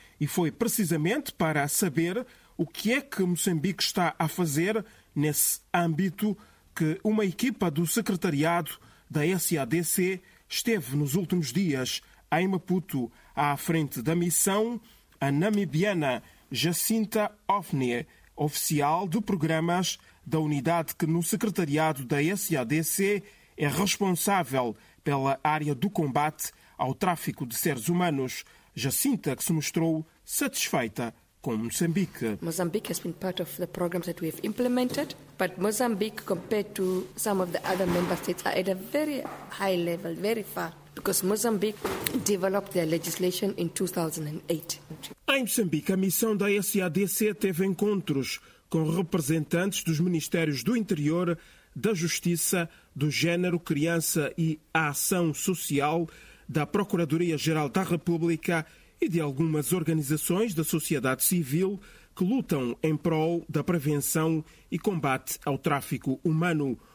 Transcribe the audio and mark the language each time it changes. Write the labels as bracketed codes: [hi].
[pt] E foi precisamente para saber o que é que Moçambique está a fazer nesse âmbito que uma equipa do secretariado da SADC esteve nos últimos dias em Maputo à frente da missão, a namibiana Jacinta Ofne, oficial de programas da unidade que no secretariado da SADC é responsável pela área do combate ao tráfico de seres humanos. Jacinta, que se mostrou satisfeita com Moçambique. [en] Moçambique has been part of the programs that we have implemented, but Moçambique, compared to some of the other member states, are at a very high level, very far, because Moçambique developed their legislation in 2008. [pt] Em Moçambique, a missão da SADC teve encontros com representantes dos Ministérios do Interior, da Justiça, do Género, Criança e Ação Social, da Procuradoria-Geral da República e de algumas organizações da sociedade civil que lutam em prol da prevenção e combate ao tráfico humano.